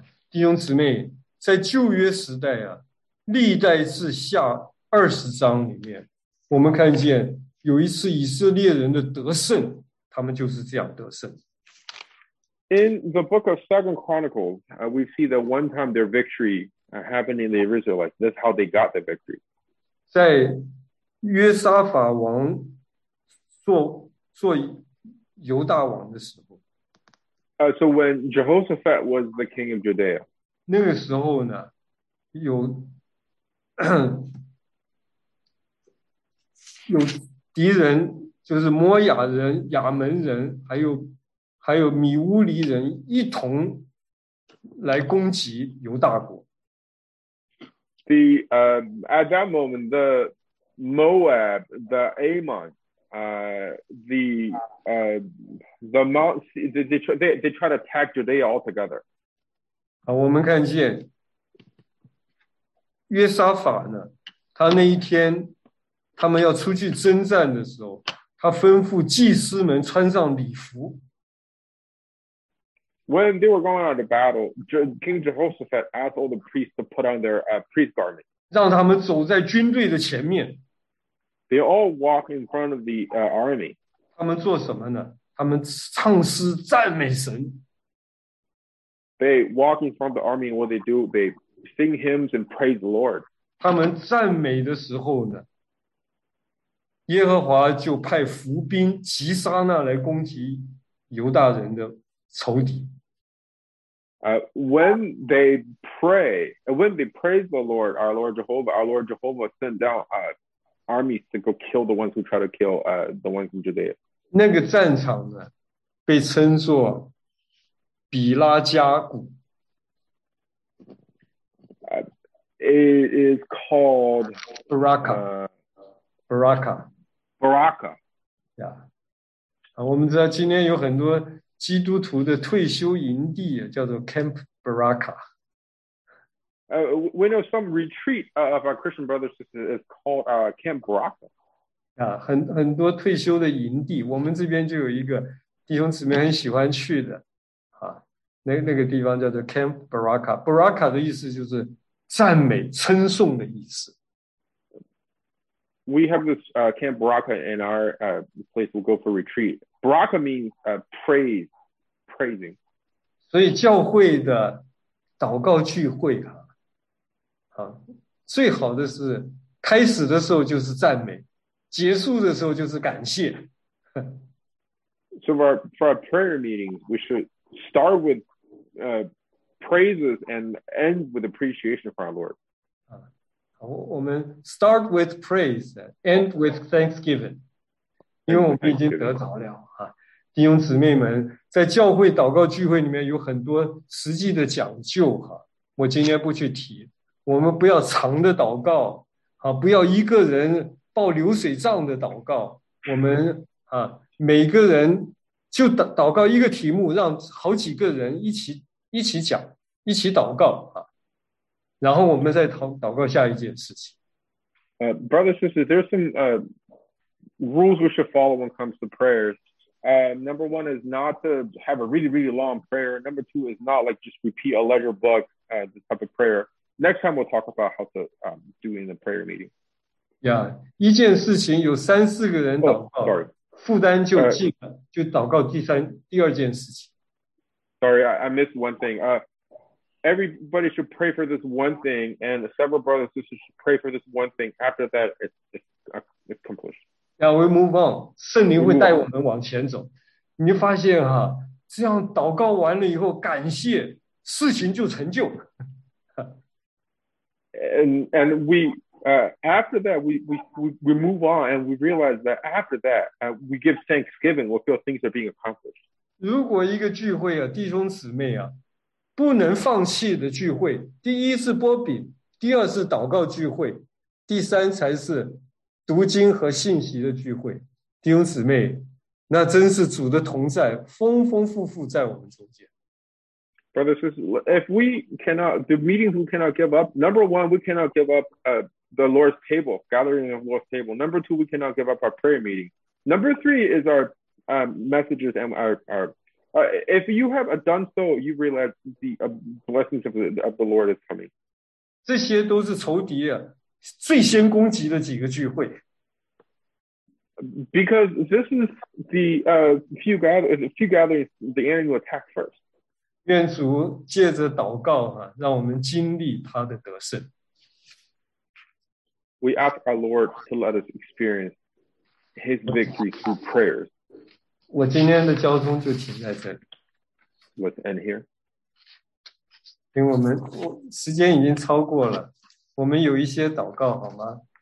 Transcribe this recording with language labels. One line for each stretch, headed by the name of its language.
Chinese: 弟兄姊妹，在旧约时代啊，历代志下二十章里面，我们看见有一次以色列人的得胜，他们就是这样得胜。
English: In the book of Second Chronicles, we see that one time their victory happened in the Israelites. That's how they got the victory.
Chinese: 在约沙法王做犹大王的时候。
English: So when Jehoshaphat was the king of Judea.
Chinese: 那个时候呢，有敌人，就是摩亚人、亚门人，还有米乌利人一同来攻击犹大国。
English: The at that moment, the Moab, the Ammon, the Mount, they try to attack Judea altogether.
Chinese: 我们看见约沙法呢，他那一天他们要出去征战的时候，他吩咐祭司们穿上礼服。
English: When they were going out to battle, King Jehoshaphat asked all the priests to put on their priest garment.
Chinese: 让他们走在军队的前面。
English: They all walk in front of the army.
Chinese: 他们做什么呢？他们唱诗赞美神。
English: They walk in front of the army, and what they do, they sing hymns and praise the Lord.
Chinese: 他们赞美的时候呢，耶和华就派伏兵击杀那来攻击犹大人的仇敌。
English: When they praise the Lord, our Lord Jehovah sent down armies to go kill the ones who try to kill the ones in Judea.
Chinese: 那个战场呢，被称作比拉加谷。
English: It is called Baraka. Baraka. Baraka. Yeah.
Chinese: 我们知道今天有很多基督徒的退休营地叫做 Camp Baraka.
English: We know some retreat of our Christian brothers and sisters is called Camp Baraka. Yeah,
Chinese: 很多退休的营地，我们这边就有一个弟兄姊妹很喜欢去的，那个地方叫做 Camp Baraka. Baraka 的意思就是赞美称颂的意思。
English: We have this Camp Baraka in our place we'll go for retreat. Baraka means praising.
Chinese: 所以教会的祷告聚会最好的是开始的时候就是赞美，结束的时候就是感谢。
English: So for our prayer meetings, we should start with praises and end with appreciation for our Lord.
Chinese: 我们
English: start with praise, end with thanksgiving.
Chinese: 因为我们已经得着了。弟兄姊妹们，在教会祷告聚会里面有很多实际的讲究，我今天不去提。我们不要长的祷告，不要一个人抱流水账的祷告。我们每个人就祷告一个题目，让好几个人一起讲，一起祷告然后我们再祷告下一件事情。
English: Brothers and sisters, there's some rules we should follow when it comes to prayers. Number one is not to have a really, really long prayer. Number two is not like just repeat a letter book the type of prayer. Next time we'll talk about how to do in the prayer meeting. Yeah,
Chinese: 一件事情有三四个人祷告，
English: oh, sorry.
Chinese: 负担就尽了，
English: right.
Chinese: 就祷告第二件事情。
English: Sorry, I missed one thing. Everybody should pray for this one thing, and several brothers and sisters should pray for this one thing. After that, it's accomplished. Yeah, we move on.
Chinese: 圣灵会带我们往前走。你发现这样祷告完了以后，感谢，事情就成就。
English: And we, after that, we move on, and we realize that after that, we give thanksgiving, we feel things are being accomplished.
Chinese: 如果一个聚会弟兄姊妹不能放弃的聚会，第一是拨饼，第二是祷告聚会，第三才是读经和信息的聚会。弟兄姊妹，那真是主的同在，丰丰富富在我们中间。
English: Brothers, if we cannot, the meetings we cannot give up. Number one, we cannot give up the Lord's table, gathering of the Lord's table. Number two, we cannot give up our prayer meeting. Number three is our messages and if you have done so, you realize the blessings of the Lord is coming.
Chinese: 这些都是仇敌最先攻击的几个聚会。
English: Because this is the few gatherings the enemy will attack first.
Chinese: 愿主借着祷告让我们经历他的得胜。
English: We ask our Lord to let us experience His victory through prayers.
Chinese: 我今天的交通就停在这里。
English: Let's end here.
Chinese: 因为我时间已经超过了，我们有一些祷告好吗？